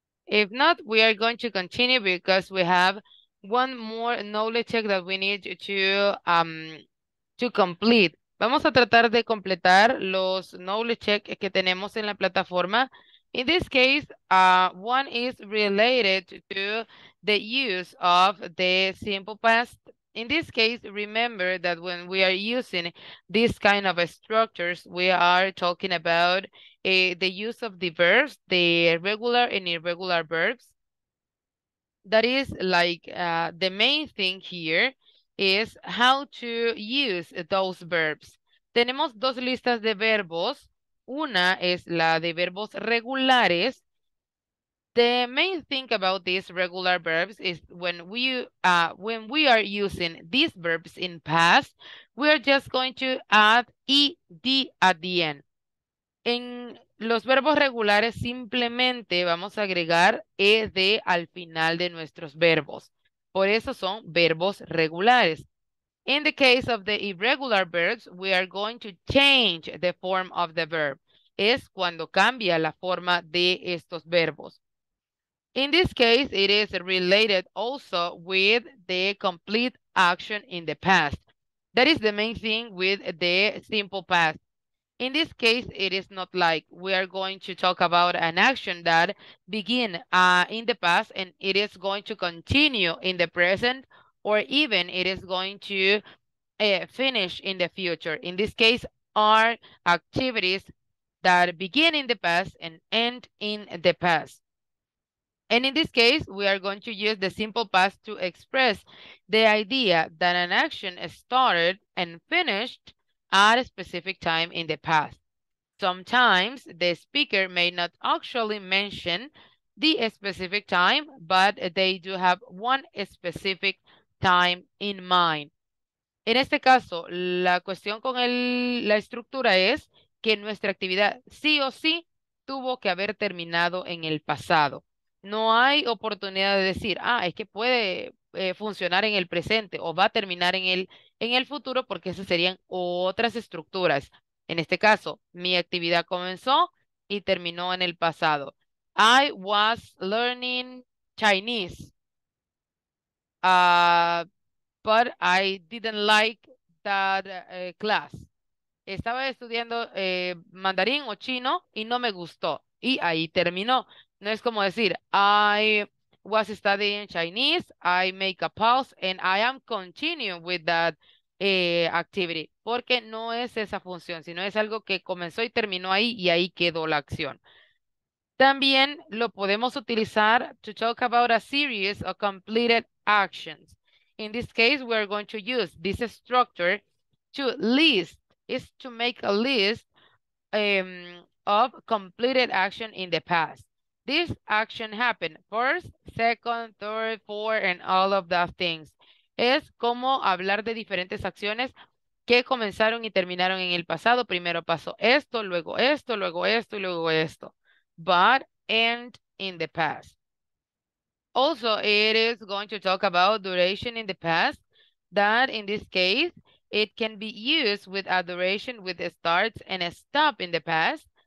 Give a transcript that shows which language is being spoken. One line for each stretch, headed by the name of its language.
English: If not, we are going to continue because we have one more knowledge check that we need to complete.
Spanish: Vamos a tratar de completar los knowledge check que tenemos en la plataforma.
English: In this case, one is related to the use of the simple past. In this case, remember that when we are using this kind of structures, we are talking about the use of the verbs, the regular and irregular verbs. That is like the main thing here is how to use those verbs.
Spanish: Tenemos dos listas de verbos. Una es la de verbos regulares.
English: The main thing about these regular verbs is when we are using these verbs in past, we are just going to add ed at the end.
Spanish: En los verbos regulares simplemente vamos a agregar ed al final de nuestros verbos. Por eso son verbos regulares.
English: In the case of the irregular verbs, we are going to change the form of the verb.
Spanish: Es cuando cambia la forma de estos verbos.
English: In this case, it is related also with the complete action in the past. That is the main thing with the simple past. In this case, it is not like we are going to talk about an action that begin in the past and it is going to continue in the present, or even it is going to finish in the future. In this case, our activities that begin in the past and end in the past. And in this case, we are going to use the simple past to express the idea that an action started and finished at a specific time in the past. Sometimes the speaker may not actually mention the specific time, but they do have one specific time in mind.
Spanish: En este caso, la cuestión con la estructura es que nuestra actividad sí o sí tuvo que haber terminado en el pasado. No hay oportunidad de decir, ah, es que puede funcionar en el presente o va a terminar en el futuro, porque esas serían otras estructuras. En este caso, mi actividad comenzó y terminó en el pasado.
English: I was learning Chinese, but I didn't like that class.
Spanish: Estaba estudiando mandarín o chino y no me gustó. Y ahí terminó. No es como decir,
English: I was studying Chinese, I make a pause, and I am continuing with that activity.
Spanish: Porque no es esa función, sino es algo que comenzó y terminó ahí, y ahí quedó la acción. También lo podemos utilizar
English: to talk about a series of completed actions. In this case, we are going to use this structure to list, is to make a list of completed action in the past. This action happened first, second, third, fourth, and all of those things.
Spanish: Es como hablar de diferentes acciones que comenzaron y terminaron en el pasado. Primero pasó esto, luego esto, luego esto, y luego esto.
English: But end in the past. Also, it is going to talk about duration in the past, that in this case, it can be used with a duration with a start and a stop in the past.